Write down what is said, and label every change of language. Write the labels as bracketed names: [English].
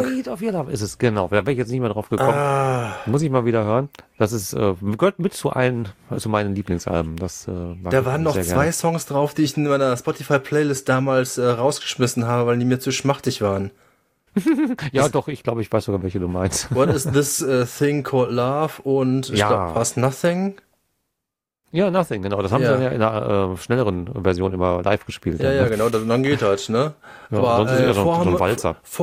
[German] The Rate of Your Love ist es, genau. Da wäre ich jetzt nicht mehr drauf gekommen. Ah. Muss ich mal wieder hören. Das ist, gehört mit zu meinen Lieblingsalben. Das, da waren noch zwei Songs drauf, die ich in meiner Spotify-Playlist damals rausgeschmissen habe, weil die mir zu schmachtig waren. Ja, doch, ich glaube, ich weiß sogar, welche du meinst. [English] What is this thing called love? [German] Und was, Nothing? Ja, Nothing, genau. Das haben sie dann ja in einer schnelleren Version immer live gespielt. Ja, genau, dann geht das, ne? Ja, aber sonst ist ja so ein Walzer.